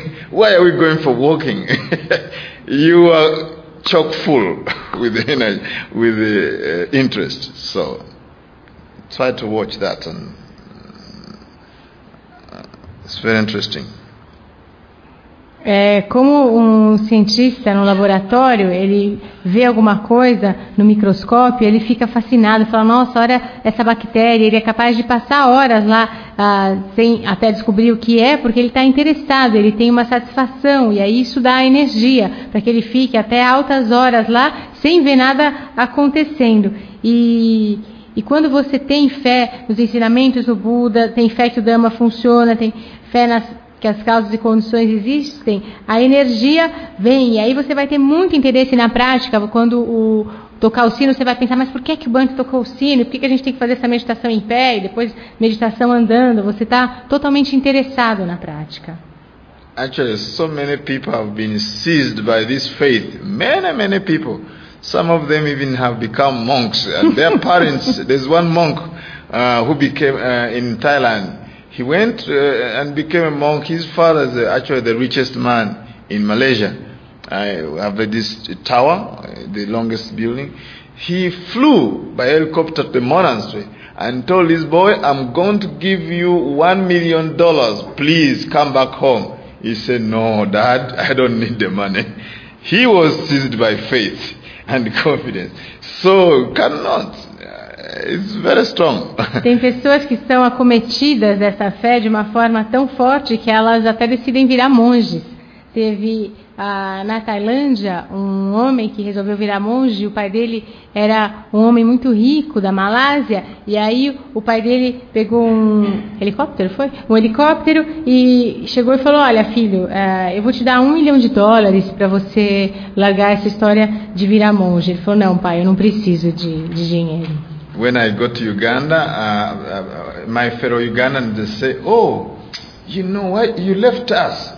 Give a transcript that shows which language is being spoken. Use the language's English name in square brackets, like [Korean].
[English] Why are we going for walking? You are chock full with energy, with interest. So try to watch that, and it's very interesting. [Portuguese] É como cientista no laboratório, ele vê alguma coisa no microscópio, ele fica fascinado, fala, nossa, olha essa bactéria, ele é capaz de passar horas lá sem até descobrir o que é, porque ele está interessado, ele tem uma satisfação, e aí isso dá energia para que ele fique até altas horas lá sem ver nada acontecendo. E quando você tem fé nos ensinamentos do Buda, tem fé que o Dhamma funciona, tem fé nas que as causas e condições existem, a energia vem, e aí você vai ter muito interesse na prática. Quando tocar o sino, você vai pensar, mas por que que o Bhante tocou o sino? Por que que a gente tem que fazer essa meditação em pé e depois meditação andando? Você está totalmente interessado na prática. [English] Actually, so many people have been seized by this faith. Many, many people. Some of them even have become monks. Their parents, there's one monk who became in Thailand. He went and became a monk. His father is actually the richest man in Malaysia. I have this tower, the longest building. He flew by helicopter to the monastery and told his boy, I'm going to give you $1 million. Please come back home. He said, no, dad, I don't need the money. He was seized by faith and confidence. So cannot. It's very strong. [Portuguese] Tem pessoas que são acometidas dessa fé de uma forma tão forte que elas até decidem virar monges. Teve na Tailândia um homem que resolveu virar monge. O pai dele era um homem muito rico da Malásia. E aí o pai dele pegou um helicóptero, foi? Um helicóptero, e chegou e falou: olha, filho, eu vou te dar $1 milhão para você largar essa história de virar monge. Ele falou: não, pai, eu não preciso de dinheiro. [English] When I go to Uganda, my fellow Ugandan, they say, oh, you know what, you left us.